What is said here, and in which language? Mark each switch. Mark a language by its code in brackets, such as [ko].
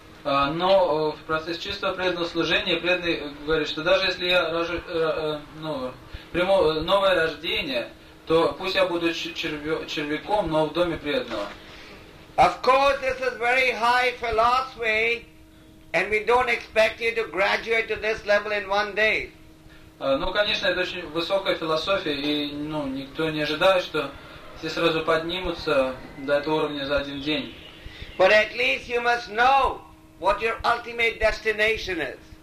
[ru] Но в процессе чистого преданного служения преданный говорит, что даже если я приму новое рождение, то пусть я буду червяком, но в доме преданного. [en] Of course, this is very high philosophy, and we don't expect you to graduate to this level in one day. [ru] Ну, конечно, это очень высокая философия, и никто не ожидает, что все сразу поднимутся до этого уровня за один день. [en] But at least you must know what your ultimate destination is.